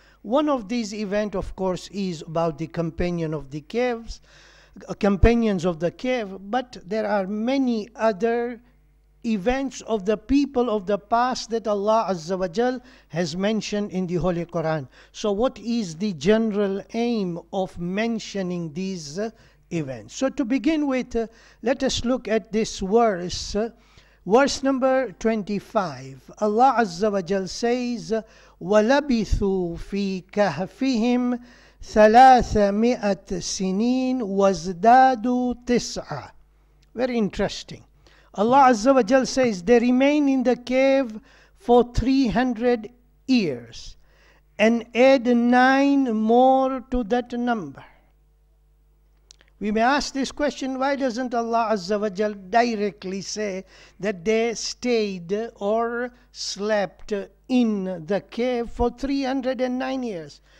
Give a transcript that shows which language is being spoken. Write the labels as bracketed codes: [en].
[en] One of these events, of course, is about the companion of the caves, companions of the cave, but there are many other events of the people of the past that Allah Azza wa Jal has mentioned in the Holy Quran. So what is the general aim of mentioning these events? So to begin with, let us look at this verse. Verse number 25, Allah Azza wa Jal says, [ar] وَلَبِثُوا فِي كَهْفِهِمْ ثَلَاثَ مِئَةَ سِنِينَ وَازْدَادُوا تِسْعَ. [en] Very interesting. Allah Azza wa Jal says, they remain in the cave for 300 years and add 9 more to that number. We may ask this question, why doesn't Allah Azza wa Jal directly say that they stayed or slept in the cave for 309 years?